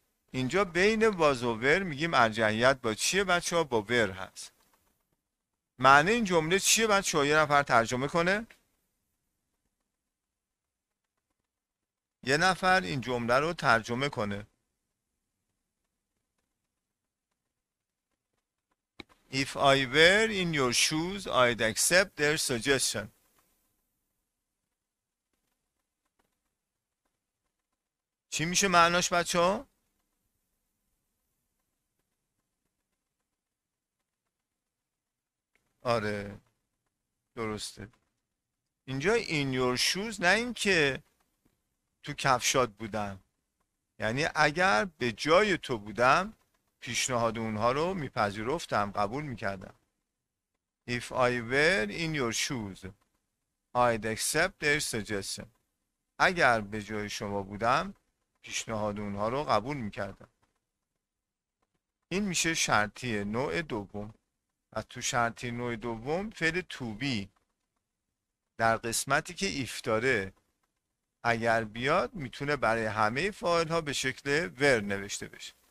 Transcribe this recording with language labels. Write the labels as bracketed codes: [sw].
[fa] اینجا بین باز و ور میگیم ارجحیت با چیه بچه ها؟ با ور هست. معنی این جمله چیه بچه ها؟ یه نفر ترجمه کنه؟ یه نفر این جمله رو ترجمه کنه. [en] If I were in your shoes, I'd accept their suggestion. [fa] چی میشه معناش بچه ها؟ آره درسته. اینجا [en] in your shoes [fa] نه این که تو کفشات بودم، یعنی اگر به جای تو بودم پیشنهاد اونها رو میپذیرفتم، قبول میکردم. [en] If I were in your shoes I'd accept their suggestion. [fa] اگر به جای شما بودم پیشنهاد اونها رو قبول میکردم. این میشه شرطی نوع دوم. و تو شرطی نوع دوم فعل to be در قسمتی که if داره اگر بیاد میتونه برای همه فاعل ها به شکل were نوشته بشه.